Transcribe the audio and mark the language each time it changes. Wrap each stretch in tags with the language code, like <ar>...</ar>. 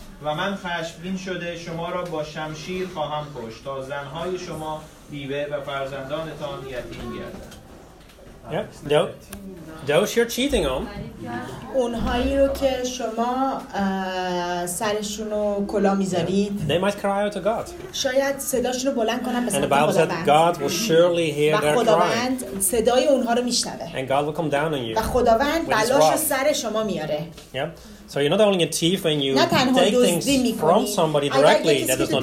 <fa>و من خشمگین شده شما را با شمشیر خواهم کشت تا زنهای شما بیوه و فرزندانتان یتیم گردند.</fa> <en>Those you're cheating on.</en> <fa>اونهایی رو که شما سرشونو کلا میذارید.</fa> <en>They might cry out to God.</en> <fa>شاید صداشونو بلند کنن.</fa> <en>And the Bible said God will surely hear their cry.</en> <fa>و خداوند صدای اونها رو میشنوه.</fa> <en>And God will come down on you.</en> <fa>و خداوند بلاش سر شما میاره.</fa> <en>So you're not only a thief when you take things from somebody directly that is not</en>